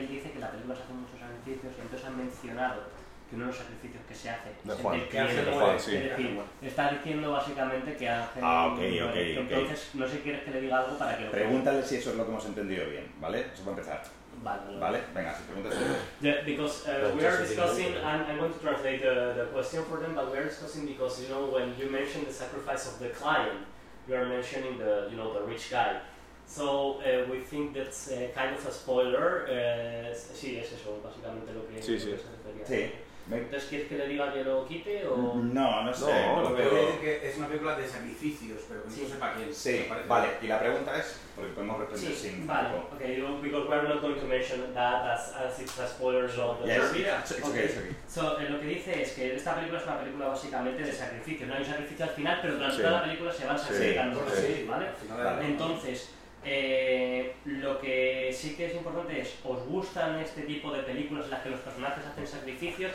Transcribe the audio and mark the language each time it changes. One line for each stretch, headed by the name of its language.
Spanish: Él dice que la película se hace muchos sacrificios, y entonces han mencionado que uno de los sacrificios que se hace está diciendo básicamente que hace.
English: Ah, okay.
Spanish: Entonces, no sé si quieres que le diga algo para que lo pregúntale si eso es lo que hemos entendido bien, ¿vale? Eso para empezar. Vale, venga, si preguntas.
English: Because we are discussing, I'm going to translate the question for them, but we are discussing because, you know, when you mention the sacrifice of the client, you are mentioning the, you know, the rich guy. So we think that's kind of a spoiler.
Spanish: Sí, es eso, básicamente lo que se refería. Sí. ¿Entonces quieres que le diga que lo quite o...? No, no sé. No, pero lo que es que es una película de sacrificios, pero que sí. No sepa quién. Sí, vale. Y la pregunta es, porque podemos responder sí. Sin... Sí, vale.
English: Ok, you, because we're not going to mention that as it's a spoiler zone. Yeah, it's okay.
Spanish: So, lo que dice es que esta película es una película básicamente de sacrificio. No hay un sacrificio al final, pero durante sí. Toda la película se van sacrificando. Sí, sí, sí, ¿vale? Vale. Entonces... lo que sí que es importante es, ¿os gustan este tipo de películas en las que los personajes hacen sacrificios?